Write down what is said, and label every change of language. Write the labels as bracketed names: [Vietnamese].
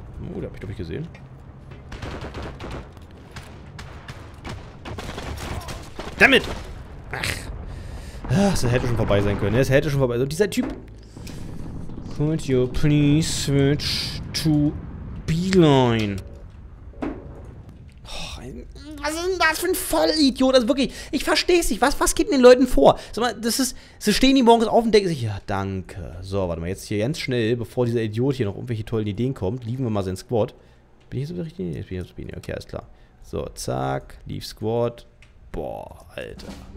[German] Oh, den hab ich, glaube ich, gesehen. Dammit! Ach! Ach, das hätte schon vorbei sein können. Das hätte schon vorbei sein können. Dieser Typ. [English] Could you please switch to B-Line? [German] Oh, was ist denn das für ein Vollidiot? Also wirklich, ich verstehe es nicht. Was geht denn den Leuten vor? Sag mal, das ist. Sie stehen die morgens auf und denken sich, ja, danke. So, warte mal, jetzt hier ganz schnell, bevor dieser Idiot hier noch irgendwelche tollen Ideen kommt, lieben wir mal seinen Squad. Bin ich so richtig? Ich bin hier auf Spini. Okay, alles klar. So, zack. Leaf Squad. Boah, Alter.